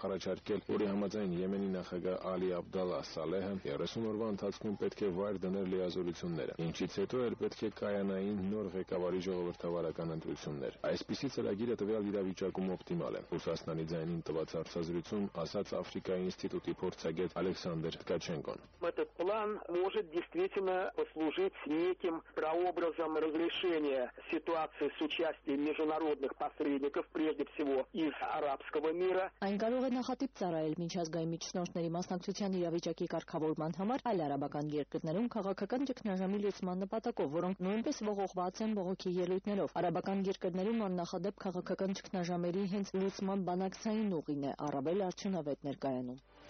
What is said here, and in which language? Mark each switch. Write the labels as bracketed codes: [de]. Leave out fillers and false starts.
[hy] առաջարկել, որի համաձայն Եմենի նախագահ Ալի Աբդալա Սալեհը 30 օրվա ընթացքում պետք է վայր դներ լիազորությունները, ինչից հետո էլ պետք է կայանային նոր ղեկավարի ժողովրդավարական ընտրություններ։ Այսպիսի ծրագիրը տվյալ իրավիճակում օպտիմալ է, Ռուսաստանի ձայնին տված հարցազրույցում ասաց Աֆրիկայի ինստիտուտի փորձագետ Ալեքսանդր Տկաչենկոն. [ru] Этот план может действительно послужить неким прообразом разрешения ситуации с участием международных посредников, прежде всего из арабского мира. [hy] Կարող է նախատիպ ծառայել միջազգային միջնորդների մասնակցության իրավիճակի կարգավորման համար այլ արաբական երկրներում քաղաքական ճգնաժամի լուծման նպատակով, որոնք նույնպես ողողված են ողոքի ելույթներով։ Արաբական երկրներում աննախադեպ քաղաքական ճգնաժամերի հենց լուծման բանակցային ուղին է առավել արդյունավետ ներկայանում։